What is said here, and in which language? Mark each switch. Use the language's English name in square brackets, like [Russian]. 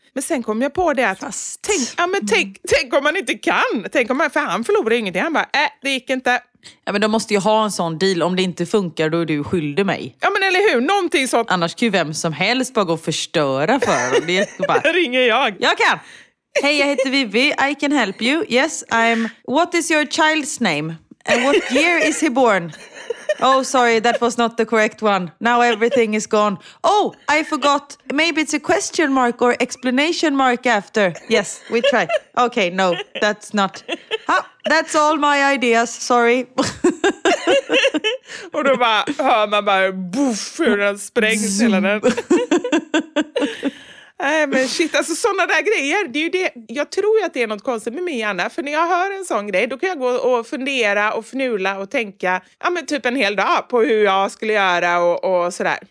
[Swedish] Men sen kom jag på det att, tänk om man inte kan, tänk om man, för han förlorar ju ingenting, han bara, det gick inte. Ja, men de måste ju ha en sån deal, om det inte funkar, då är du skyldig mig. Ja, men eller hur, någonting sånt. Annars kan ju vem som helst bara gå och förstöra för dem. Det är bara, ringer jag. Jag kan. Hej, jag heter Vivi, [English] I can help you. Yes, I'm, what is your child's name? And what year is he born? Oh, sorry, that was not the correct one. Now everything is gone. Oh, I forgot. Maybe it's a question mark or explanation mark after. Yes, we try. Okay, no, that's not. Huh, that's all my ideas, sorry. [Swedish] Och då bara, hör man bara, boff, hur den sprängs hela den. Nej, men shit, alltså sådana där grejer, det är ju det, jag tror ju att det är något konstigt med mig, Anna, för när jag hör en sån grej, då kan jag gå och fundera och fnula och tänka, ja men typ en hel dag på hur jag skulle göra och sådär.